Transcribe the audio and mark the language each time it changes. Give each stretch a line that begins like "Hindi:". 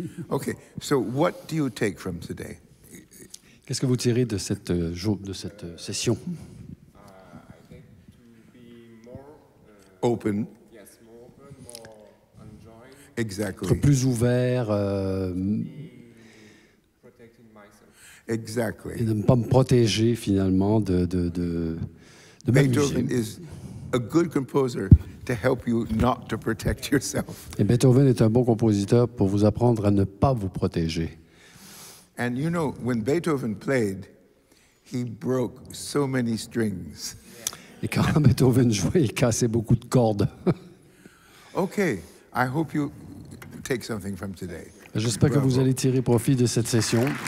English: Okay, so what do you take from today?
French: Qu'est-ce que vous tirez de cette session?
English: I think to be more open. Yes, more open, more enjoying. Exactly.
French: Être plus ouvert.
English: Protecting myself. Exactly.
French: Et de ne pas me protéger finalement de
English: Beethoven is a good composer to help you not to protect yourself.
French: Et Beethoven est un bon compositeur pour vous apprendre à ne pas vous protéger.
English: And you know, when Beethoven played, he broke so many strings.
French: Et quand Beethoven jouait, il cassait beaucoup de cordes.
English: Okay, I hope you take something from today.
French: J'espère Bravo. Que vous allez tirer profit de cette session.